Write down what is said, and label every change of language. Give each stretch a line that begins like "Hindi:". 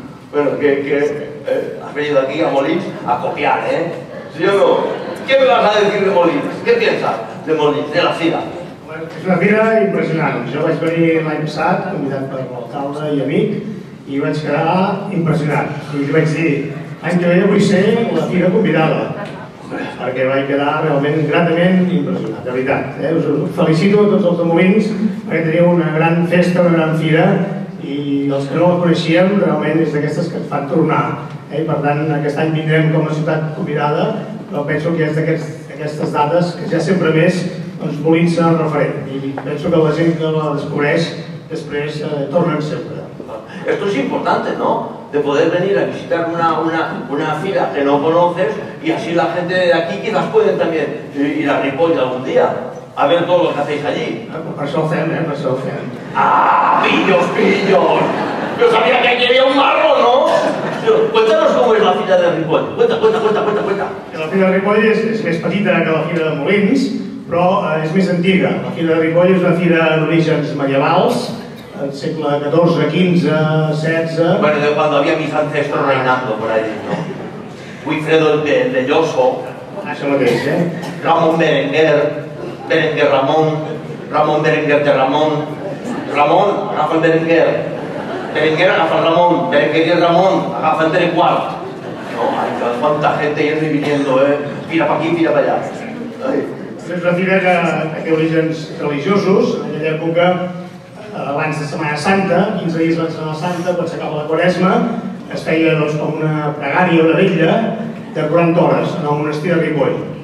Spanish: Bueno, ¿has venido aquí a Molins a copiar, ¿eh? ¿Sí o no? ¿Qué me vas a decir de Molins? ¿Qué piensas de Molins, de la fira?
Catalan: Bueno, és una fira impressionant. Jo vaig venir l'any passat, convidat per l'alcalde i amic, i vaig quedar impressionat. I li vaig dir, any que ve vull ser la fira convidada, perquè vaig quedar realment gratament impressionat, de veritat. Us felicito a tots els de Molins, perquè teníeu una gran festa, una gran fira, i els que no la coneixíem realment és d'aquestes que et fan tornar. Per tant, aquest any vindrem com a ciutat convidada, però penso que és d'aquestes dades que ja sempre més doncs Molins serà referent. I penso que la gent que la descobreix després tornen sempre.
Spanish: Esto es importante, ¿no? De poder venir a visitar una fira que no conoces y así la gente de aquí quizás pueden también ir a Ripoll algún día a ver todo lo que hacéis allí.
Catalan: Per això ho fem, eh? Per això ho fem.
Spanish: ¡Ah! ¡Pillos, pillos! Yo sabía que aquí había un marro, ¿no? Cuéntanos cómo es la fira de Ripoll. Cuenta.
Catalan: La fira de Ripoll és més petita que la fira de Molins, però és més antiga. La fira de Ripoll és una fira d'orígens medievals, del segle XIV, XV, XVI...
Spanish: Bueno, de cuando había mis ancestros reinando por ahí, ¿no? Wilfredo de Lloso.
Catalan: Això mateix, eh? Ramon Berenguer, Berenguer Ramon, Ramon Berenguer de Ramon. Ramon, agafa el Berenguer. Berenguer agafa el Ramon. Berenguer de Ramon, agafa el Berenguart.
Spanish: No, ay, cuánta gente yendo y viniendo, eh? Tira pa' aquí, tira pa' allà.
Catalan: És una fira que té orígens religiosos, en aquella època, abans de Setmana Santa, 15 dies abans de Setmana Santa, quan s'acaba la Quaresma, es feia doncs com una pregària, una vetlla, de 40 hores, en el monestir de Ripoll.